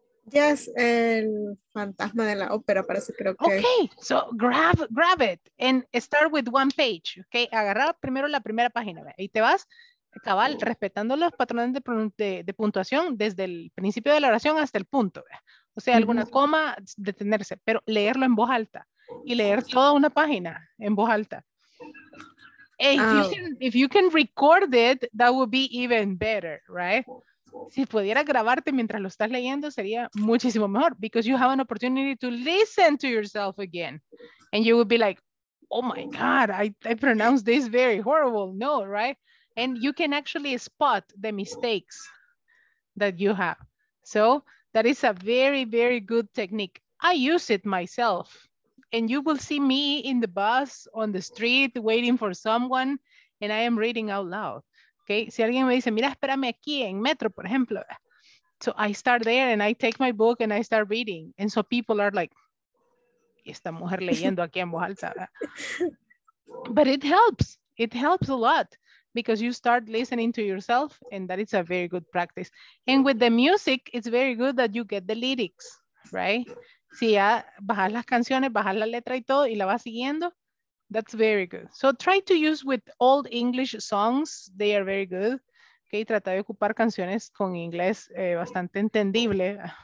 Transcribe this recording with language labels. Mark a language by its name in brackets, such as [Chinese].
[Spanish] Yes, el fantasma de la ópera parece creo que. [English] Okay, so grab it and start with one page, okay? [Spanish] Agarrar primero la primera página, ¿ve? Y te vas cabal respetando los patrones de puntuación desde el principio de la oración hasta el punto, ¿ve? O sea, alguna coma, detenerse, pero leerlo en voz alta y leer toda una página en voz alta. [English] If you can record it, that would be even better, right? [Spanish] Si pudieras grabarte mientras lo estás leyendo, sería muchísimo mejor, [English] because you have an opportunity to listen to yourself again. And you would be like, oh my God, I pronounced this very horrible. No, right? And you can actually spot the mistakes that you have. So that is a very, very good technique. I use it myself. And you will see me in the bus, on the street, waiting for someone, and I am reading out loud. [Spanish] Okay, si alguien me dice, mira, espérame aquí en metro, por ejemplo. [English] So I start there and I take my book and I start reading. And so people are like, [Spanish] ¿y esta mujer leyendo aquí en voz alta? [English] But it helps. It helps a lot because you start listening to yourself and that is a very good practice. And with the music, it's very good that you get the lyrics, right? [Spanish] Si ya bajas las canciones, bajas la letra y todo y la vas siguiendo. [English] That's very good. So try to use with old English songs. They are very good. [Spanish] Okay, trata de ocupar canciones con inglés bastante entendible.